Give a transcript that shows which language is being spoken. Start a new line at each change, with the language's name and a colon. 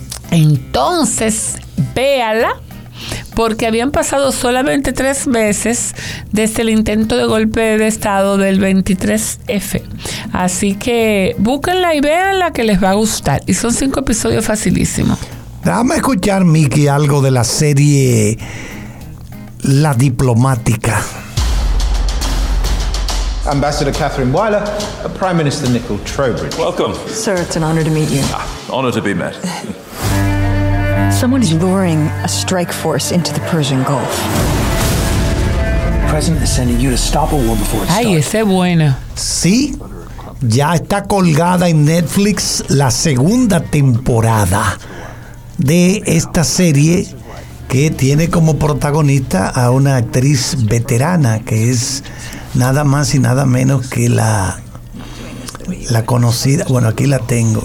Spanish: Entonces, véala, porque habían pasado solamente 3 meses desde el intento de golpe de estado del 23F. Así que búsquenla y véanla, que les va a gustar. Y son 5 episodios, facilísimos. Déjame escuchar, Mickey, algo de la serie La Diplomática.
English: Ambassador Catherine Wyler, Prime Minister Nicol Trowbridge. Welcome. Sir, it's an honor to meet you. Honor to be met. Someone is luring a strike force into the Persian Gulf. The president is sending you to stop a war before it starts.
Spanish: Ay, ese bueno. Sí, ya está colgada en Netflix la segunda temporada de esta serie que tiene como protagonista a una actriz veterana que es nada más y nada menos que la conocida, bueno, aquí la tengo.